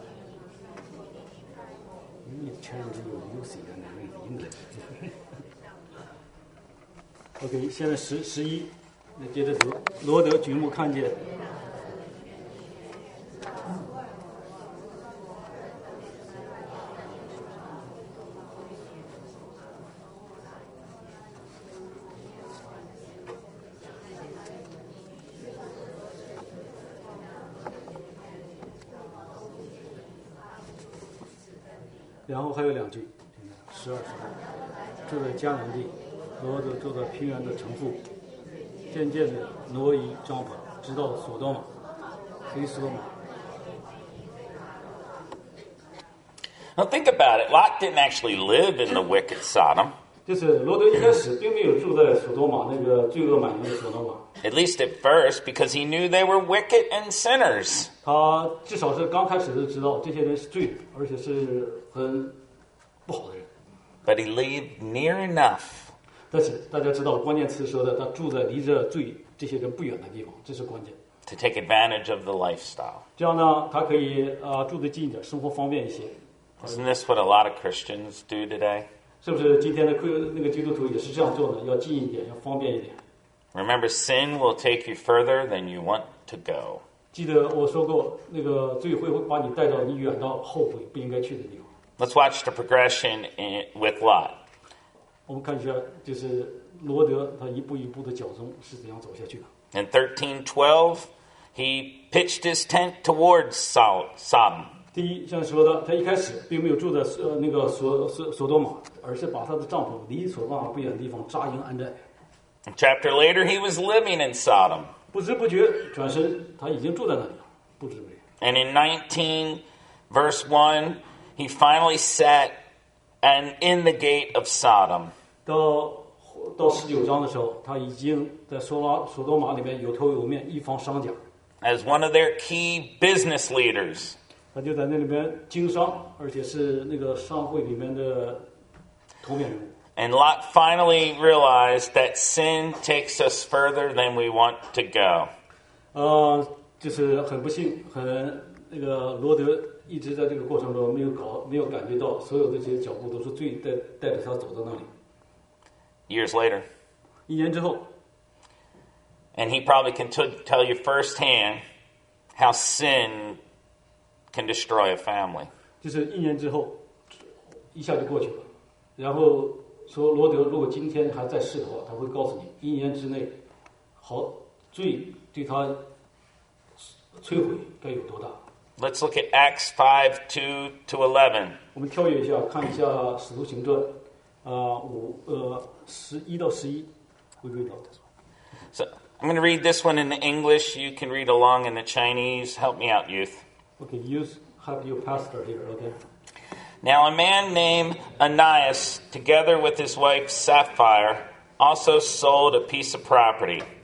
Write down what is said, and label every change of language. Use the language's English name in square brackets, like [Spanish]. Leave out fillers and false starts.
[English] You need to change your music and read English. [Chinese] OK， 现在十一，那接着读。罗德举目看见，然后还有两句，12:12，住在迦南地。罗德住在平原的城父，渐渐的挪移帐篷，直到索多玛、黑索玛。 [English] Now think about it. Lot didn't actually live in the wicked Sodom. [Chinese] 就是罗德一开始并没有住在索多玛那个罪恶满盈的索多玛。 [English] At least at first, because he knew they were wicked and sinners. [Chinese] 他至少是刚开始就知道这些人是罪，而且是很不好的人。 [English] But he lived near enough. [Chinese] 但是大家知道，关键词说的，他住在离着罪这些人不远的地方，这是关键。 [English] To take advantage of the lifestyle， [Chinese] 这样呢，他可以住得近一点，生活方便一些。 [English] Isn't this what a lot of Christians do today？ [Chinese] 是不是今天的那个基督徒也是这样做的？要近一点，要方便一点。 [English] Remember, sin will take you further than you want to go。 [Chinese] 记得我说过，那个罪会把你带到你远到后悔不应该去的地方。 [English] Let's watch the progression with Lot。 [Chinese] 我们看一下，就是罗德他一步一步的脚踪是怎样走下去的。 [English] In 13:12, he pitched his tent towards Sodom. [Chinese] 第一，像说的，他一开始并没有住在那个索多玛，而是把他的帐篷离索多玛不远的地方扎营安寨。 [English] A chapter later, he was living in Sodom. [Chinese] 不知不觉，转身他已经住在那里了，不知不觉。 [English] And in 19:1, he finally sat. And in the gate of Sodom. [Chinese] 到19章的时候，他已经在索多玛里面有头有面，一方商贾。 [English] As one of their key business leaders. [Chinese] 他就在那里面经商，而且是那个商会里面的头面人物。 [English] And Lot finally realized that sin takes us further than we want to go. [Chinese] 就是很不幸，很那个罗德。一直在这个过程中没有感觉到所有的这些脚步都是罪带着他走到那里。 [English] Years later, [Chinese] 一年之后 [English] ，and he probably can tell you firsthand how sin can destroy a family. [Chinese] 就是一年之后，一下就过去了。然后说罗德如果今天还在世的话，他会告诉你，一年之内，好罪对他摧毁该有多大。 [English] Let's look at Acts 5:2-11. [Chinese] 我们跳跃一下，看一下《使徒行传》11-11. [English] We read about this one. So I'm going to read this one in English. You can read along in the Chinese. Help me out, youth. Okay, youth, have your pastor here, okay? Now a man named Ananias, together with his wife Sapphira, also sold a piece of property.